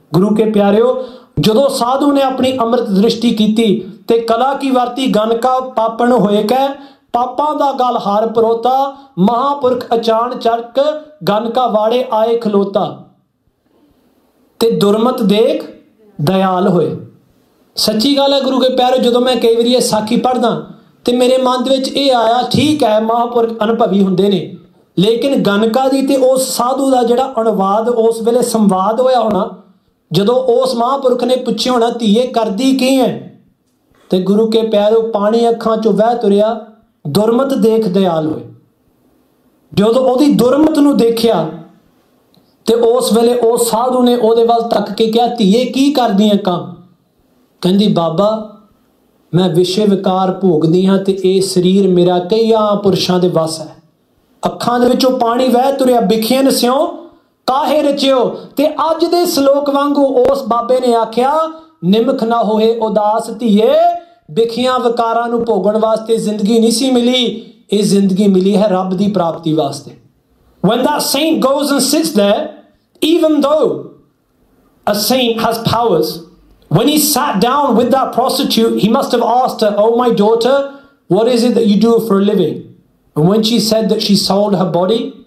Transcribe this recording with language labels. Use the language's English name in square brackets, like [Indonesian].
[Punjabi] Guru ke pyareo, jadon sadhu ne apni amrit drishti kiti, te kala ki varti ganka papan hoye kai, ਪਾਪਾਂ ਦਾ ਗੱਲ ਹਰ ਪਰੋਤਾ, ਮਹਾਂਪੁਰਖ ਅਚਾਨ ਚੜਕ ਗਨਕਾ ਵਾੜੇ ਆਏ ਖਲੋਤਾ, ਤੇ ਦੁਰਮਤ ਦੇਖ ਦਿਆਲ ਹੋਏ। ਸੱਚੀ ਗੱਲ ਹੈ ਗੁਰੂ ਕੇ ਪਿਆਰੇ, ਜਦੋਂ ਮੈਂ ਕਈ ਵਾਰੀ ਇਹ ਸਾਖੀ ਪੜ੍ਹਦਾ ਤੇ ਮੇਰੇ ਮਨ ਦੇ ਵਿੱਚ ਇਹ ਆਇਆ, ਠੀਕ ਹੈ ਮਹਾਂਪੁਰਖ ਅਨੁਭਵੀ ਹੁੰਦੇ ਨੇ, ਲੇਕਿਨ ਗਨਕਾ ਦੀ ਤੇ ਉਸ ਸਾਧੂ ਦਾ ਜਿਹੜਾ ਅਨੁਵਾਦ ਉਸ ਵੇਲੇ ਸੰਵਾਦ ਹੋਇਆ ਹੋਣਾ, ਜਦੋਂ ਉਸ ਮਹਾਂਪੁਰਖ ਨੇ ਪੁੱਛਿਆ ਹੋਣਾ ਧੀਏ ਕਰਦੀ ਕੀ ਹੈ, ਤੇ ਗੁਰੂ ਕੇ ਪਿਆਰੇ ਪਾਣੀ ਅੱਖਾਂ 'ਚੋਂ ਵਹਿ ਤੁਰਿਆ, ਦੁਰਮਤ ਦੇਖ ਦਿਆਲ ਹੋਏ। ਜਦੋਂ ਉਹਦੀ ਦੁਰਮਤ ਨੂੰ ਦੇਖਿਆ ਤੇ ਉਸ ਵੇਲੇ ਉਸ ਸਾਧੂ ਨੇ ਉਹਦੇ ਵੱਲ ਤੱਕ ਕੇ ਕਿਹਾ, ਧੀਏ ਕੀ ਕਰਦੀ ਹੈ ਕੰਮ? ਕਹਿੰਦੀ, ਬਾਬਾ ਮੈਂ ਵਿਸ਼ੇ ਵਿਕਾਰ ਭੋਗਦੀ ਹਾਂ ਤੇ ਇਹ ਸਰੀਰ ਮੇਰਾ ਕਈਆਂ ਪੁਰਸ਼ਾਂ ਦੇ ਵੱਸ ਹੈ। ਅੱਖਾਂ ਦੇ ਵਿੱਚੋਂ ਪਾਣੀ ਵਹਿ ਤੁਰਿਆ, ਬਿਖੀਆਂ ਨਸਿਓ ਕਾਹੇ ਰਚਿਓ, ਤੇ ਅੱਜ ਦੇ ਸਲੋਕ ਵਾਂਗੂ ਉਸ ਬਾਬੇ ਨੇ ਆਖਿਆ, ਨਿਮਖ ਨਾ ਹੋਏ ਉਦਾਸ ਧੀਏ, ਬਿਖੀਆਂ ਵਿਕਾਰਾਂ ਨੂੰ ਭੋਗਣ ਵਾਸਤੇ ਜ਼ਿੰਦਗੀ ਨਹੀਂ ਸੀ ਮਿਲੀ, ਇਹ ਜ਼ਿੰਦਗੀ ਮਿਲੀ ਹੈ ਰੱਬ ਦੀ ਪ੍ਰਾਪਤੀ ਵਾਸਤੇ। [English] When that saint goes and sits there, even though a saint has powers, when he sat down with that prostitute, he must have asked her, oh my daughter, what is it that you do for a living? And when she said that she sold her body,